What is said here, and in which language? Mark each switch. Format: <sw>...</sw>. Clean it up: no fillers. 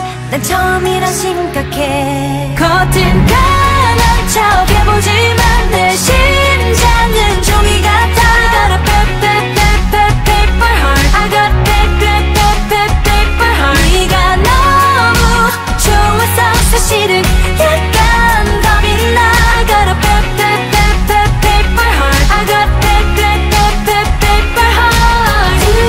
<ko>난 처음이라 심각해. 겉은 가난 척해 보지만 내 심장은 종이 같아.</ko> <en>I got a paper, paper, paper heart. I got paper, paper, paper heart.</en> <ko>네가 너무 좋아서 사실은 약간 겁이 나.</ko> <en>I got a paper, paper, paper heart. I got paper, paper, paper heart.</en>